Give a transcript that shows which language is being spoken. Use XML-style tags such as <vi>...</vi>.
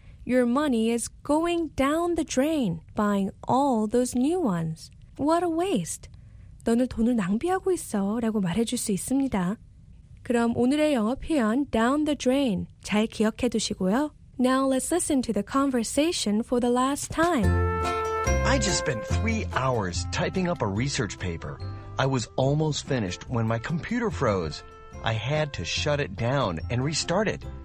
<en>Your money is going down the drain buying all those new ones. What a waste.</en> <ko>너는 돈을 낭비하고 있어 라고 말해줄 수 있습니다. 그럼 오늘의 영어 표현 down the drain 잘 기억해 두시고요.</ko> <en>Now let's listen to the conversation for the last time. I just spent 3 hours typing up a research paper. I was almost finished when my computer froze. I had to shut it down and restart it.</en>